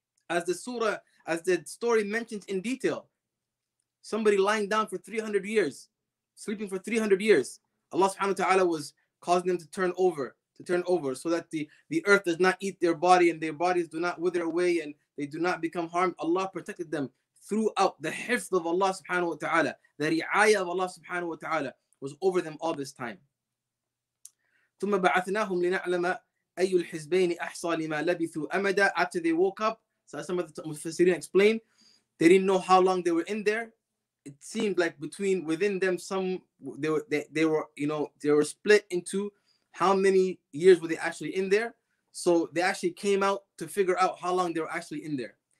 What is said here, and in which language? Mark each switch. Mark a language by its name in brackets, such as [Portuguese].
[English] As the surah, as the story mentions in detail, somebody lying down for 300 years, sleeping for 300 years, Allah subhanahu wa ta'ala was causing them to turn over so that the earth does not eat their body and their bodies do not wither away and they do not become harmed. Allah protected them throughout. The hifz of Allah subhanahu wa ta'ala, the ri'ayah of Allah subhanahu wa ta'ala was over them all this time. [Arabic] ثم بعثناهم لنعلم أي الحزبين أحصى لما لبثوا أمدا. [English] After they woke up, so as some of the Mufassirin explained, they didn't know how long they were in there. It seemed like between within them, some they were split into how many years were they actually in there. So they actually came out to figure out how long they were actually in there.